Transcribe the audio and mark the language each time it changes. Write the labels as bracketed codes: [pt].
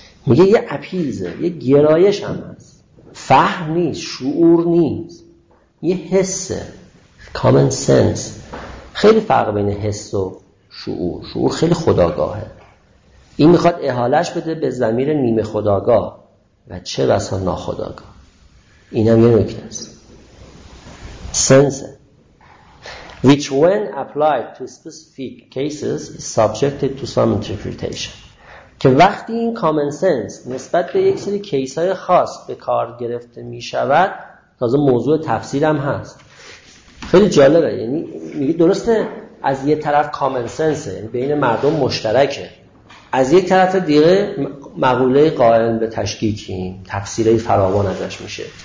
[fa] میگه یه اپیزه، یه گرایش هم هست، فهم نیست، شعور نیست، یه حسه، common sense. خیلی فرق بین حس و شعور. شعور خیلی خودآگاهه، این میخواد احالش بده به ضمیر نیمه خودآگاه و چه بسا ناخودآگاه. اینم یه نکته است. [en] sense which when applied to specific cases is subjected to some interpretation. [fa] که وقتی این common sense نسبت به یک سری کیس های خاص به کار گرفته میشود، تازه موضوع تفسیر هم هست. خیلی جالبه، یعنی میگه درسته از یه طرف common sense، یعنی بین مردم مشترکه، از یک طرف دیگه مقوله قائل به تشکیکیم، تفسیری فراوان ازش میشه،